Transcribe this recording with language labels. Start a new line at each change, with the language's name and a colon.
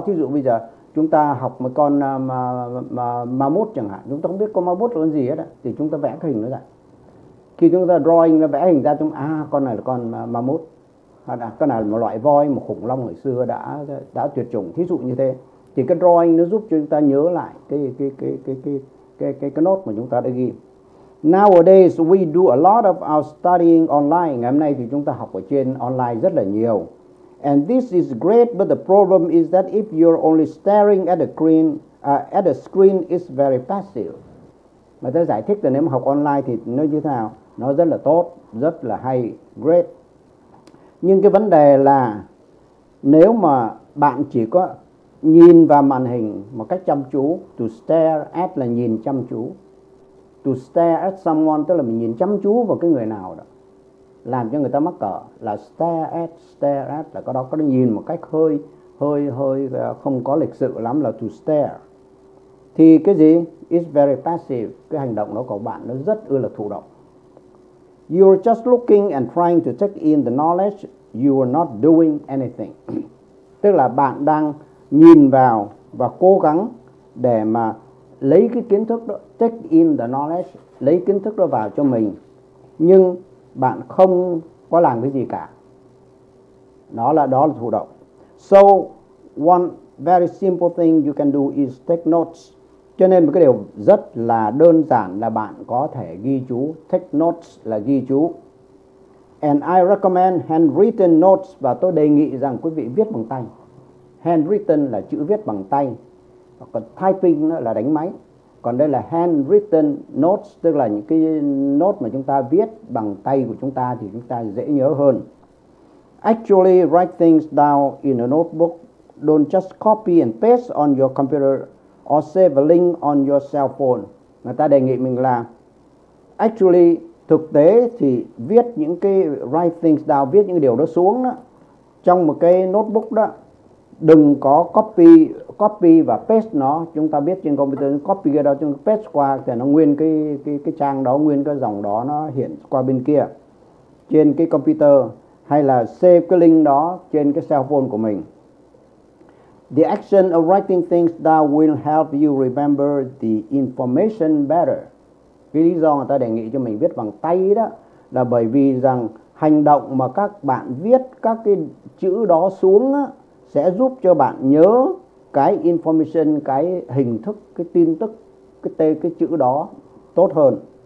Vietnamese: Thí dụ bây giờ chúng ta học một con mammoth chẳng hạn, chúng ta không biết con mammoth là con gì hết, thì chúng ta vẽ cái hình nó ra. Khi chúng ta drawing, nó vẽ hình ra, chúng ta con này là con mammoth, hoặc là con này là một loại voi, một khủng long hồi xưa đã tuyệt chủng. Thí dụ như thế, thì cái drawing nó giúp cho chúng ta nhớ lại cái note mà chúng ta đã ghi.
English: Nowadays we do a lot of our studying online.
Vietnamese: Ngày hôm nay thì chúng ta học ở trên online rất là nhiều.
English: And this is great, but the problem is that if you're only staring at the screen, it's very passive.
Vietnamese: Mà tôi giải thích là nếu mà học online thì nó như thế nào? Nó rất là tốt, rất là hay, great. Nhưng cái vấn đề là nếu mà bạn chỉ có nhìn vào màn hình một cách chăm chú, to stare at là nhìn chăm chú. To stare at someone tức là mình nhìn chăm chú vào cái người nào đó, làm cho người ta mắc cỡ, là stare at là có đó, có nhìn một cách hơi không có lịch sự lắm, là to stare. Thì cái gì?
English: It's very passive.
Vietnamese: Cái hành động đó của bạn nó rất ư là thụ động.
English: You're just looking and trying to take in the knowledge. You are not doing anything.
Vietnamese: Tức là bạn đang nhìn vào và cố gắng để mà lấy cái kiến thức đó,
English: take in the knowledge,
Vietnamese: lấy kiến thức đó vào cho mình. Nhưng bạn không có làm cái gì cả. Đó là thụ động.
English: So one very simple thing you can do is take notes.
Vietnamese: Cho nên một cái điều rất là đơn giản là bạn có thể ghi chú.
English: Take notes
Vietnamese: là ghi chú.
English: And I recommend handwritten notes.
Vietnamese: Và tôi đề nghị rằng quý vị viết bằng tay. Handwritten là chữ viết bằng tay. Còn typing là đánh máy. Còn đây là handwritten notes, tức là những cái note mà chúng ta viết bằng tay của chúng ta thì chúng ta dễ nhớ hơn.
English: Actually write things down in a notebook. Don't just copy and paste on your computer or save a link on your cell phone.
Vietnamese: Người ta đề nghị mình là actually thực tế thì viết những cái
English: write things down,
Vietnamese: viết những điều đó xuống đó, trong một cái notebook đó. Đừng có copy và paste nó. Chúng ta biết trên computer copy cái đó, chúng ta paste qua thì nó nguyên cái trang đó, nguyên cái dòng đó nó hiện qua bên kia trên cái computer, hay là save cái link đó trên cái cell phone của mình.
English: The action of writing things down will help you remember the information better.
Vietnamese: Cái lý do người ta đề nghị cho mình viết bằng tay đó là bởi vì rằng hành động mà các bạn viết các cái chữ đó xuống á sẽ giúp cho bạn nhớ cái information, cái hình thức, cái tin tức, cái tên, cái chữ đó tốt hơn.